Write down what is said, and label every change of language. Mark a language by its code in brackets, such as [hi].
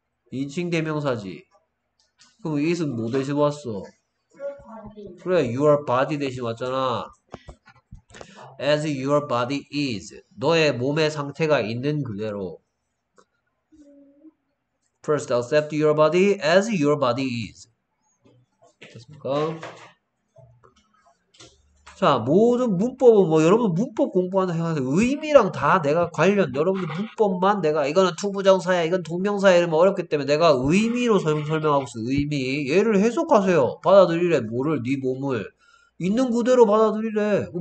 [ko] 인칭 대명사지. 그럼 이것은 뭐 대신 왔어? 그래, [en] your body [ko] 대신 왔잖아. [en] As your body is. [ko] 너의 몸의 상태가 있는 그대로. [en] First, accept your body as your body is. [ko] 됐습니까? 자, 모든 문법은 뭐, 여러분 문법 공부하는 해가지고 의미랑 다 내가 관련, 여러분들 문법만 내가, 이거는 투부정사야, 이건 동명사야, 이런 뭐 어렵기 때문에 내가 의미로 설명하고 있어, 의미. 얘를 해석하세요. 받아들이래, 뭐를, 네 몸을. 있는 그대로 받아들이래.